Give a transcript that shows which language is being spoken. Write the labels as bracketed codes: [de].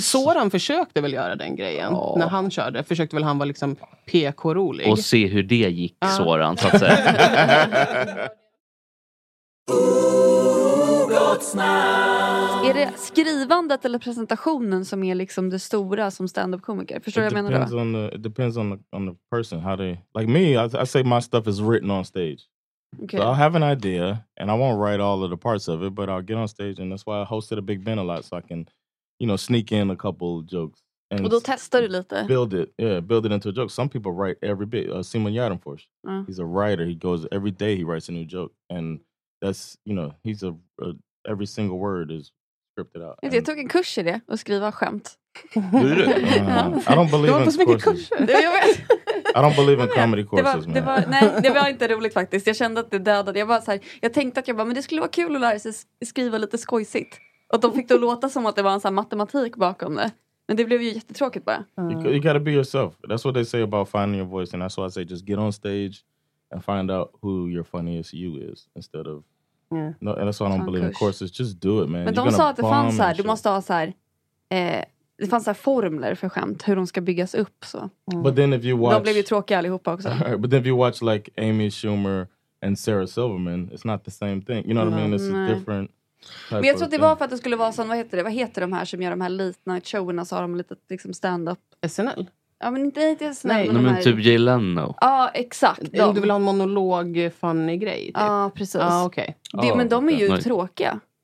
[sv] Soran försökte väl göra den grejen när han körde. Försökte väl han vara liksom PK-rolig. Och se hur det gick, Soran, så att säga. Är det skrivandet eller presentationen som är liksom det stora som stand-up-komiker? Förstår du vad jag menar då? [en] It depends on the person. How they, like me, I say my stuff is written on stage. Okay. So I'll have an idea, and I won't write all of the parts of it, but I'll get on stage, and that's why I hosted a Big Ben a lot, so I can, you know, sneak in a couple jokes. And [sv] och då testar du lite? [en] Build it into a joke. Some people write every bit. Simon Järnfors, he's a writer. He goes, every day he writes a new joke, and that's, you know, he's a every single word is scripted out. [sv] Jag tog en kurs i det och skriva skämt. Gjorde du? [en] I don't believe in courses. I don't believe in comedy courses. [sv] Det var inte roligt faktiskt. Jag kände att det dödade. Jag var så här, jag tänkte att jag bara, men det skulle vara kul att lära sig skriva lite skojsigt. Och de fick då låta som att det var en sån här matematik bakom det. Men det blev ju jättetråkigt bara. [en] You gotta be yourself. That's what they say about finding your voice. And that's why I say just get on stage and find out who your funniest you is instead of no, and that's why I don't believe in courses. Just do it, man. [sv] Men de sa att det fanns så här, du måste ha så här, det fanns så här formler för skämt, hur de ska byggas upp så. [en] But then if you watch, [sv] de blev ju tråkiga allihopa också. [en] But then if you watch like Amy Schumer and Sarah Silverman, it's not the same thing. You know what I mean? It's a different type. [sv] Men jag tror att det var för att det skulle vara sån, vad heter de här som gör de här late night showerna, så har de lite liksom stand up [en] SNL. [sv] Ja, men inte riktigt snäll. Nej, men typ Jay Leno. Ja, exakt. De. Du vill ha en monolog funny grej typ. Ja, precis. Ja, okej. Okay. Men de är ju tråkiga.